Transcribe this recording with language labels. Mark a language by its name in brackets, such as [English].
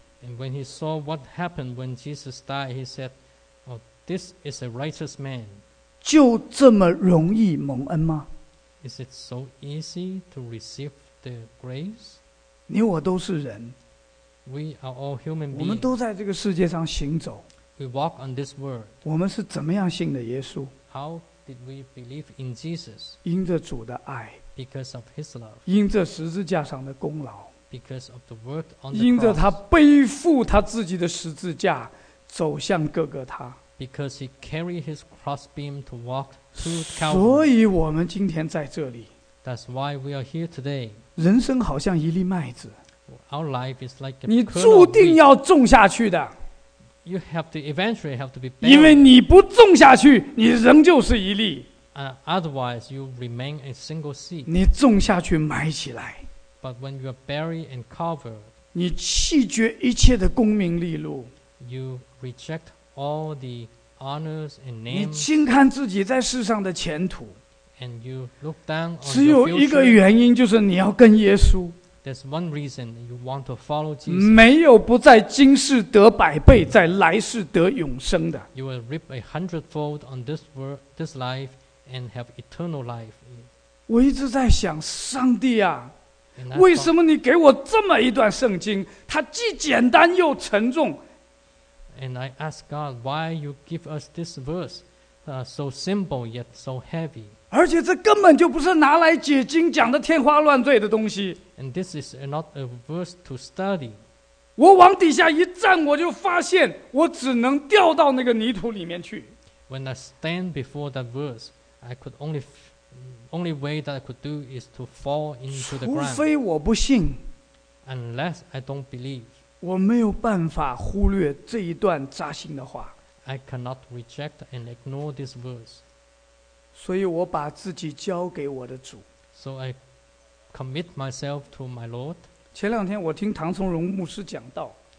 [English] And when he saw what happened when Jesus died, he said,This is a righteous man. [Chinese] 就这么容易蒙恩吗？ [English] Is it so easy to receive the grace? [Chinese] 你我都是人。 [English] We are all human beings. [Chinese] 我们都在这个世界上行走。 [English] We walk on this world. [Chinese] 我们是怎么样信的耶稣？ [English] How did we believe in Jesus? [Chinese] 因着主的爱。 [English] Because of his love. [Chinese] 因着十字架上的功劳。 [English] Because of the work on the cross. [Chinese] 因着他背负他自己的十字架走向各个他。 [English] Because he carried his crossbeam to walk to [Chinese] Calvary. 所以我们今天在这里。 [English] That's why we are here today. [Chinese] 人生好像一粒麦子。 [English] Our life is like a [Chinese] 你注定要种下去的。 [English] You have to eventually have to be buried. [Chinese] 因为你不种下去，你仍旧是一粒。 [English] Otherwise, you remain a single seed. [Chinese] 你种下去，埋起来。 [English] But when you are buried and covered, [Chinese] 你弃绝一切的功名利禄。 [English] You reject all the honors and names. [Chinese] 你轻看自己在世上的前途。 [English] And you look down on your [Chinese] future. 只有一个原因，就是你要跟耶稣。 [English] There's one reason you want to follow Jesus. [Chinese] 没有不在今世得百倍，在来世得永生的。 [English] You will reap a hundredfold on this world, this life, and have eternal life. [Chinese] 我一直在想，上帝啊，为什么你给我这么一段圣经？它既简单又沉重。 [English] And I ask God, why you give us this verse, so simple yet so heavy? [Chinese] 而且这根本就不是拿来解经讲的天花乱坠的东西。 [English] And this is not a verse to study. [Chinese] 我往底下一站，我就发现我只能掉到那个泥土里面去。 [English] When I stand before that verse, I could only way that I could do is to fall into the ground. [Chinese] 除非我不信。 [English] Unless I don't believe. [Chinese] 我没有办法忽略这一段扎心的话。 [English] I cannot reject and ignore this verse. [Chinese] 所以我把自己交给我的主。 [English] So I commit myself to my Lord. [Chinese] 前两天我听唐崇荣牧师讲道。